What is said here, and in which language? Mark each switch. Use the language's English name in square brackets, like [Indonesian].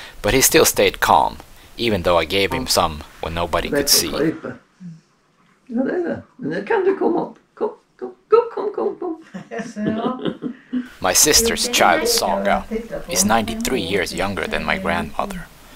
[English] But he still stayed calm, even though I gave him some when nobody could see. [Swedish] Ja, det är det. Nu kan du komma upp. Kom. [English] My sister's child, Saga, is 93 years younger than my grandmother.